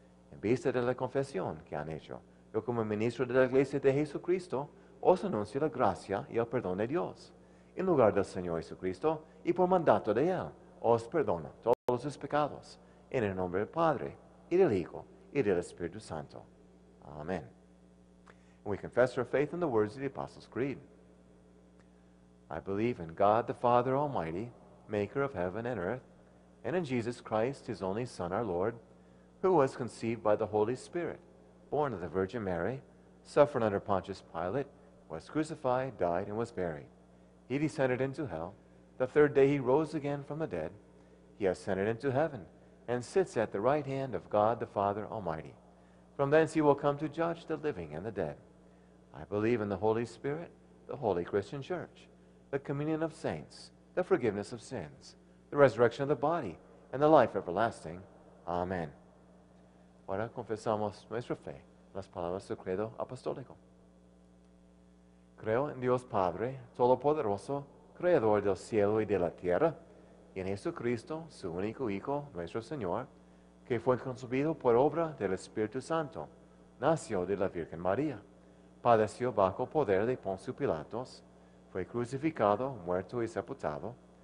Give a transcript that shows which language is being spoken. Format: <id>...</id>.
<es>En vista de la confesión que han hecho, yo como ministro de la Iglesia de Jesucristo, os anuncio la gracia y el perdón de Dios. En lugar del Señor Jesucristo, y por mandato de Él, os perdono todos sus pecados, en el nombre del Padre, y del Hijo, y del Espíritu Santo. Amén.</es> <en>And we confess our faith in the words of the Apostles' Creed. I believe in God, the Father Almighty, maker of heaven and earth, and in Jesus Christ, his only Son, our Lord, who was conceived by the Holy Spirit, born of the Virgin Mary, suffered under Pontius Pilate, was crucified, died, and was buried. He descended into hell. The third day he rose again from the dead. He ascended into heaven and sits at the right hand of God, the Father Almighty. From thence he will come to judge the living and the dead. I believe in the Holy Spirit, the Holy Christian Church, the communion of saints, the forgiveness of sins, the resurrection of the body, and the life everlasting. Amen.</en> <es>Ahora confesamos nuestra fe, las palabras del credo apostólico. Creo en Dios Padre, Todopoderoso, Creador del cielo y de la tierra, y en Jesucristo, su único Hijo, nuestro Señor, que fue concebido por obra del Espíritu Santo, nació de la Virgen María, padeció bajo poder de Poncio Pilatos, fue crucificado, muerto y sepultado,</es>